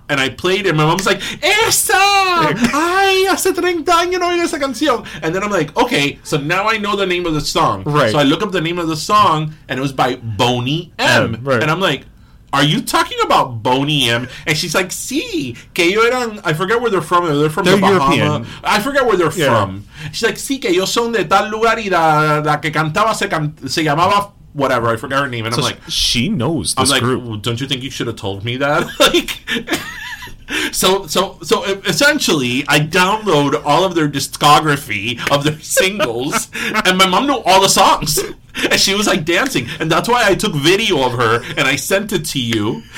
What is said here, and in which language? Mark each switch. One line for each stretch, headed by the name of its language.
English: And I played it. My mom's like,
Spanish: ¡Esa! ¡Ay, hace 30 años no oigo esa canción!
English: And then I'm like, okay, so now I know the name of the song. Right. So I look up the name of the song, and it was by Boney M. Right. And I'm like, are you talking about Boney M? And she's like,
Spanish: sí, que yo eran,
English: I forget where they're from. They're from the Bahamas. I forget where they're from. She's like,
Spanish: sí, que yo son de tal lugar y la que cantaba se llamaba whatever.
English: I forgot her name. And so I'm like, she knows this I'm like, group. Well, don't you think you should have told me that? Like, so essentially, I download all of their discography of their singles, and my mom knew all the songs. And she was like dancing, and that's why I took video of her and I sent it to you.